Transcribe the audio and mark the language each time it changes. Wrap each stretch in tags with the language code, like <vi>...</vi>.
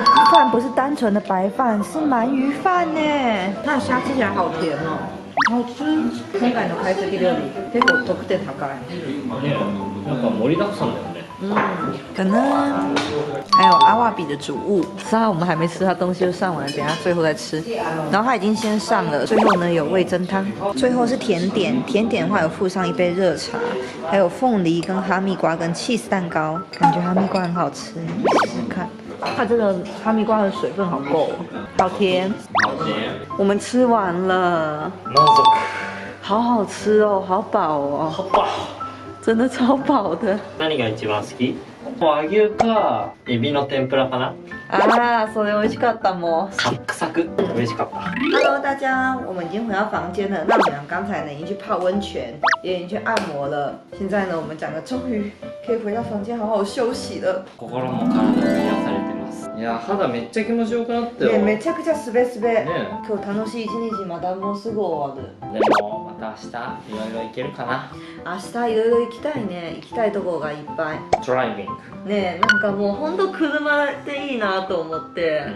<zh>饭不是单纯的白饭，是鳗鱼饭呢。那虾吃起来好甜哦，好吃。</zh> <ja>今回の会席料理結構得点高い。ね、なんか盛りだくさんだよね。</ja> <zh>嗯，可能还有阿瓦比的主物，虽然我们还没吃，他东西就上完了，等一下最后再吃。然后他已经先上了，最后呢有味噌汤，最后是甜点，甜点的话有附上一杯热茶，还有凤梨跟哈密瓜跟 cheese 蛋糕，感觉哈密瓜很好吃，试试看。它这个哈密瓜的水分好够，好甜，好甜。我们吃完了，满足，好好吃哦，好饱哦，好饱。真的超饱的。</zh> <ja>何が一番好き？和牛かエビの天ぷらかな。ああ、それ美味しかったもん。サクサク、美味しかった。</ja> <zh>Hello， 大家，我们已经回到房间了。那我们刚才呢已经去泡温泉，也已经去按摩了。现在呢，我们两个终于可以回到房间好好休息了。</zh> <ja>心も体も癒されてます。いや、肌めっちゃ気持ちよくなったよ。めちゃくちゃすべすべ。今日楽しい一日まだもうすぐ終わる。でも。明日いろいろ行けるかな。明日いろいろ行きたいね。行きたいところがいっぱい。ドライビング。ねえ、なんかもう本当車でいいなと思って。</ja>